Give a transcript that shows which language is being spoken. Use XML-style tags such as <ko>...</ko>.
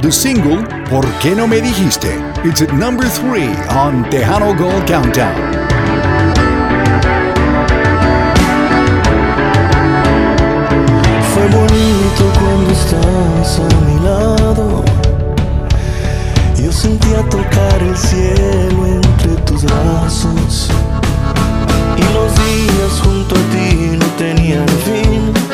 <en>The single, ¿Por qué no me dijiste? It's at number three on Tejano Gold Countdown.</en> <es>Fue bonito cuando estabas a mi lado. Yo sentía tocar el cielo entre tus brazos. Y los días junto a ti no tenían fin.</es>